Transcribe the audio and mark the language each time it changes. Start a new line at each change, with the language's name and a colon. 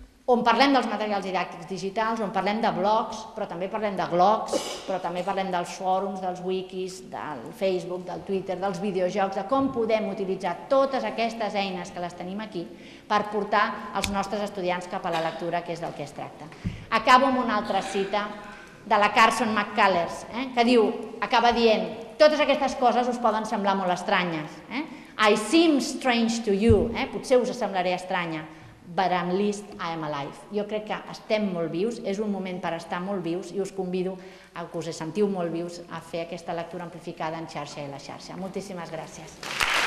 Catalan: on parlem dels materials didàctics digitals, on parlem de blogs, però també parlem de glogs, però també parlem dels fòrums, dels wikis, del Facebook, del Twitter, dels videojocs, de com podem utilitzar totes aquestes eines que les tenim aquí per portar els nostres estudiants cap a la lectura, que és del que es tracta. Acabo amb una altra cita de la Carson McCullers, que diu, acaba dient, totes aquestes coses us poden semblar molt estranyes.
English: I seem strange to you,
Catalan: potser us semblaré estranya,
English: but at least I am alive.
Catalan: Jo crec que estem molt vius, és un moment per estar molt vius i us convido a que us sentiu molt vius a fer aquesta lectura amplificada en xarxa i la xarxa. Moltíssimes gràcies.